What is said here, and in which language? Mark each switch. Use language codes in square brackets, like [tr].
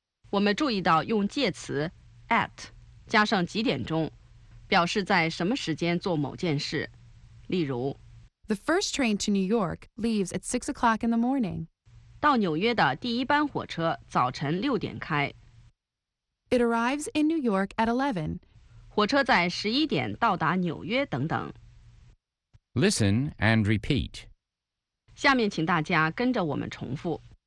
[zh] We 注意到用介词 at 加上几点钟表示在什么时间做某件事。例如 [en] The first train to New York leaves at 6 o'clock in the morning. [zh] 到纽约的第一班火车早晨六点开。 [en] It arrives in New York at 11. [zh] 火车在十一点到达纽约等等。 [en] Listen and repeat. [zh] 下面请大家跟着我们重复。